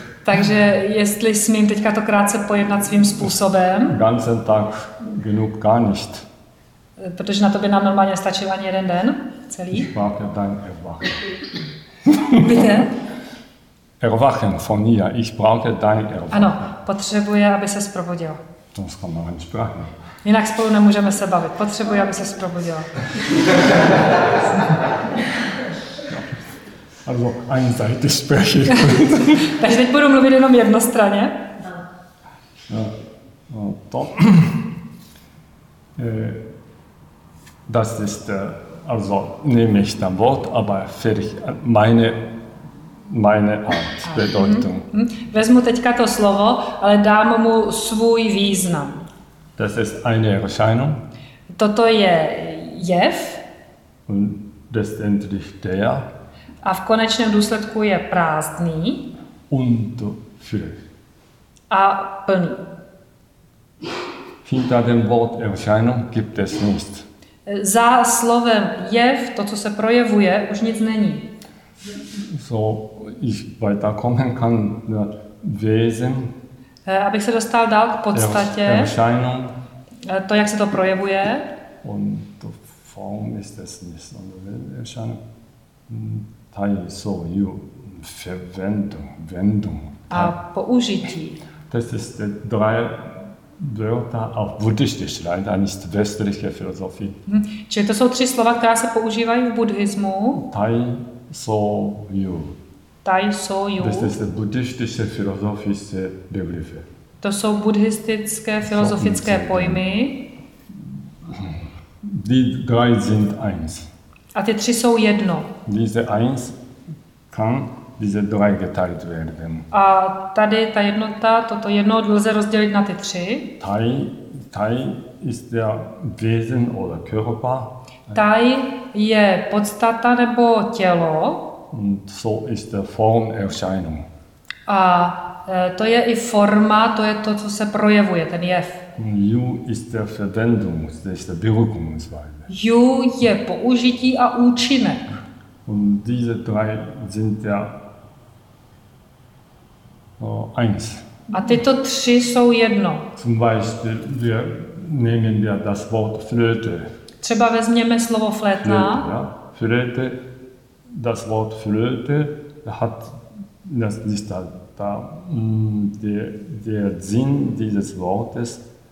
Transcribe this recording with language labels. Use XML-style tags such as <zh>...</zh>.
<cs>Takže jestli smím teďka to krátce pojednat svým způsobem.</cs> <de>Ganzen Tag genug gar nicht.</de> <cs>Protože na to by nám normálně stačil ani jeden den celý.</cs> <de>Ich warte dein Erwachen. Bitte? Erwachen von ihr, ich brauche dein Erwachen.</de> <cs>Ano. Potřebuje, aby se zprobudil. To skoro ani sprachne. Jinak spolu nemůžeme se bavit. Potřebuje, aby se zprobudil.</cs> <de>Also einseitig spreche ich.</de> <cs>Takže teď budu mluvit jenom jednostranně. No. To.</cs> <de>Das ist, also nehme ich dann Wort, aber fertig, meine Art, Bedeutung.</de> <cs>Vezmu teďka to slovo, ale dám mu svůj význam.</cs> <de>Das ist eine Erscheinung.</de> <cs>Toto je jev.</cs> <de>Und das endlich der.</de> <cs>A v konečném důsledku je prázdný.</cs> <de>Und füllig.</de> <cs>A plný.</cs> <de>Hinter dem Wort Erscheinung gibt es nichts.</de> <cs>Za slovem jev, to, co se projevuje, už nic není.</cs> <de>So ich weiterkommen kann, ja, Wesen.</de> <cs>Abych se dostal dál k podstatě.</cs> <de>Erscheinung.</de> <cs>To, jak se to projevuje.</cs> <de>Und die Form ist es nicht, sondern Erscheinung. Teil, so, you, Verwendung, Wendung.</de> <cs>A použití.</cs> <de>Das ist die drei Wörter auf buddhistisch, leider nicht westliche Philosophie.</de> <cs>Čili to jsou tři slova, která se používají v buddhismu. Teil, so, you. Tai, so, you.</cs> <de>Das ist die buddhistische philosophische Begriffe.</de> <cs>To jsou buddhistické filozofické so, pojmy.</cs> <de>Die drei sind eins.</de> <cs>A ty tři jsou jedno.</cs> <de>Diese eins kann diese drei geteilt werden.</de> <cs>A tady ta jednota, toto jedno lze rozdělit na ty tři.</cs> <de>Tai ist der Wesen oder Körper.</de> <cs>Tai je podstata nebo tělo.</cs> <de>Und so ist der Form Erscheinung.</de> <cs>A to je i forma, to je to, co se projevuje, ten jev.</cs> <de>You ist der Verwendung, das ist der Wirkungsweise.</de> <cs>Ju je použití a účinek.</cs> <de>Und diese drei sind ja eins.</de> <cs>A tyto tři jsou jedno.</cs> <de>Zum Beispiel, wir nehmen ja das Wort Flöte.</de> <cs>Třeba vezměme slovo flétna.</cs> <de>Flöte, ja. Flöte, das Wort Flöte hat das ist da der Sinn dieses Wortes.</de>